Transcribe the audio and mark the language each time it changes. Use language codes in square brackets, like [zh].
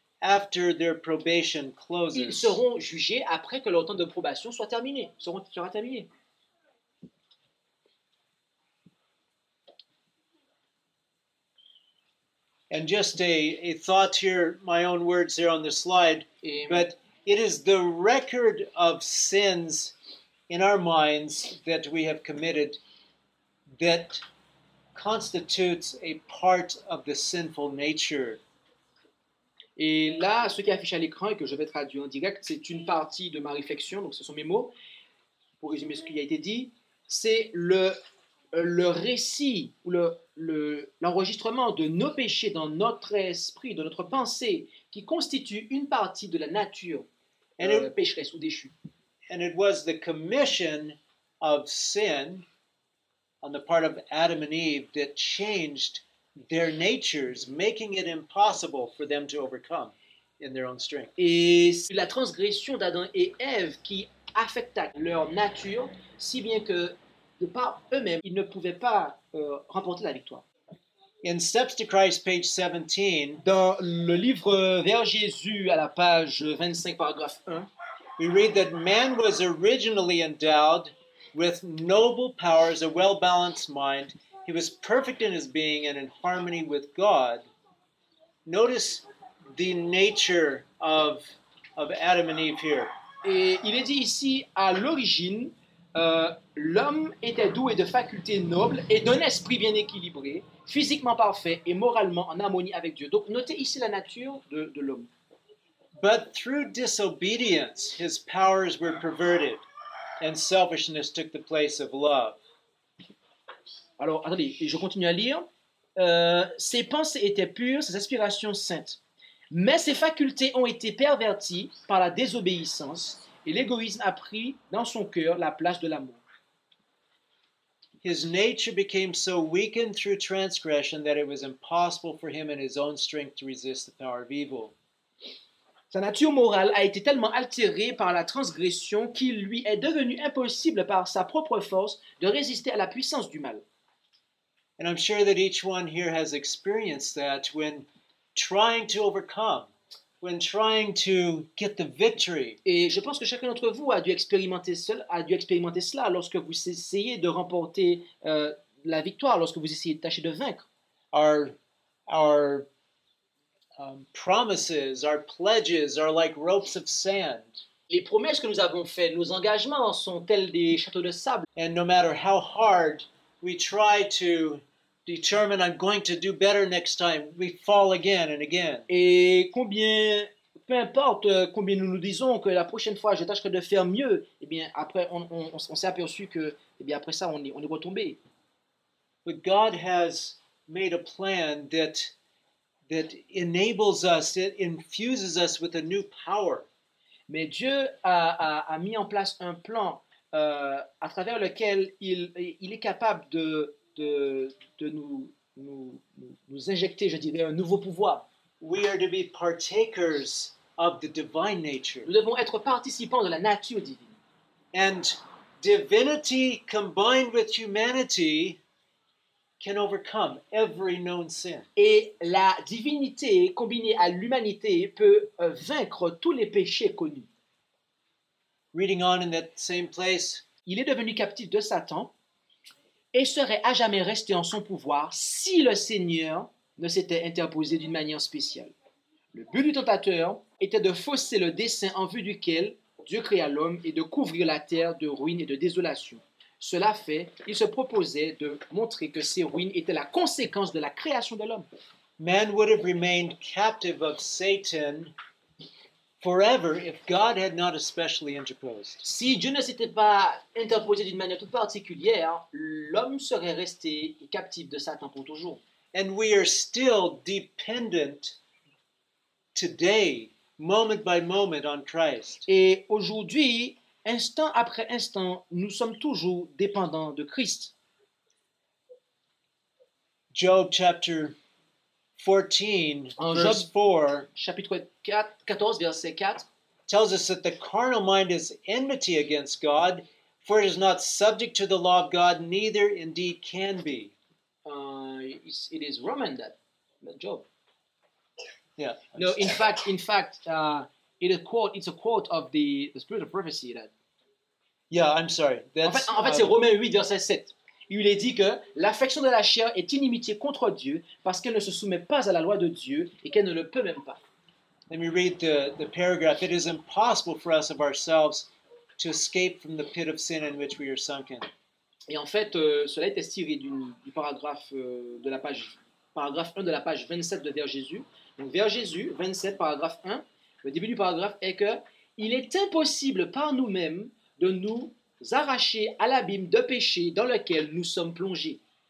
[en] After their probation closes. [fr] Ils seront jugés après que leur temps de probation soit terminé. Sera terminé. [en] And just a thought here, my own words here on the slide, but it is the record of sins in our minds that we have committed that constitutes a part of the sinful nature. [fr] Et là, ce qui est affiché à l'écran et que je vais traduire en direct, c'est une partie de ma réflexion, donc ce sont mes mots, pour résumer ce qui a été dit, c'est le récit ou l'enregistrement de nos péchés dans notre esprit, dans notre pensée, qui constitue une partie de la nature pécheresse ou déchue. [en] And it was the commission of sin on the part of Adam and Eve that changed their natures, making it impossible for them to overcome in their own strength. [fr] Et la transgression d'Adam et Ève qui affecta leur nature, si bien que de par eux-mêmes, ils ne pouvaient pas remporter la victoire. [en] In Steps to Christ, page 17, [fr] dans le livre Vers Jésus, à la page 25, paragraphe 1, [en] we read that man was originally endowed with noble powers, a well-balanced mind. He was perfect in his being and in harmony with God. Notice the nature of Adam and Eve here. [fr] Et il est dit ici, à l'origine, l'homme était doué de facultés nobles et d'un esprit bien équilibré, physiquement parfait et moralement en harmonie avec Dieu. Donc, notez ici la nature de l'homme. [en] But through disobedience, his powers were perverted, and selfishness took the place of love. [fr] Alors, attendez, je continue à lire. Ses pensées étaient pures, ses aspirations saintes. Mais ses facultés ont été perverties par la désobéissance et l'égoïsme a pris dans son cœur la place de l'amour. [en] His nature became so weakened through transgression that it was impossible for him in his own strength to resist the power of evil. [fr] Sa nature morale a été tellement altérée par la transgression qu'il lui est devenu impossible par sa propre force de résister à la puissance du mal. [en] And I'm sure that each one here has experienced that when trying to overcome, when trying to get the victory. [fr] Et je pense que chacun d'entre vous a dû expérimenter cela lorsque vous essayez de remporter la victoire, lorsque vous essayez de tâcher de vaincre. [en] Our promises, our pledges are like ropes of sand. [fr] Les promesses que nous avons faites, nos engagements sont tels des châteaux de sable. [en] And no matter how hard we try to determine I'm going to do better next time, we fall again and again. [fr] Et combien, peu importe combien nous nous disons que la prochaine fois je tâcherai de faire mieux, eh bien après on s'est aperçu que eh bien après ça on est retombé. [en] But God has made a plan that enables us, it infuses us with a new power. [fr] Mais Dieu a mis en place un plan à travers lequel il est capable de nous injecter, je dirais, un nouveau pouvoir. [en] We are to be partakers of the divine nature. [fr] Nous devons être participants de la nature divine. [en] And divinity combined with humanity can overcome every known sin. [fr] Et la divinité combinée à l'humanité peut vaincre tous les péchés connus. [en] Reading on in that same place, [fr] il est devenu captif de Satan et serait à jamais resté en son pouvoir si le Seigneur ne s'était interposé d'une manière spéciale. Le but du tentateur était de fausser le dessein en vue duquel Dieu créa l'homme et de couvrir la terre de ruines et de désolation. Cela fait, il se proposait de montrer que ces ruines étaient la conséquence de la création de l'homme. [en] Man would have remained captive of Satan forever if God had not especially interposed. [fr] Si Dieu ne s'était pas interposé d'une manière toute particulière, l'homme serait resté captif de Satan pour toujours. [en] And we are still dependent today, moment by moment, on Christ. [fr] Et aujourd'hui, instant après instant, nous sommes toujours dépendants de Christ. [en] Job chapter 14, en verse 4, [fr] chapitre 14, verset 4, [en] tells us that the carnal mind is enmity against God, for it is not subject to the law of God, neither indeed can be. It is Roman that, Job. Yeah. No, in fact, it's a quote of the spirit of prophecy that. Yeah, I'm sorry. [fr] En fait, c'est Romains 8, verset 7. Il est dit que l'affection de la chair est inimitié contre Dieu parce qu'elle ne se soumet pas à la loi de Dieu et qu'elle ne le peut même pas. [en] Let me read the paragraph. It is impossible for us of ourselves to escape from the pit of sin in which we are sunken. [fr] Et en fait, cela est tiré du paragraphe de la page, paragraphe 1 de la page 27 de Vers Jésus. Donc Vers Jésus, 27, paragraphe 1, le début du paragraphe est que il est impossible par nous-mêmes de nous arrachés à l'abîme de péché dans lequel nous sommes plongés.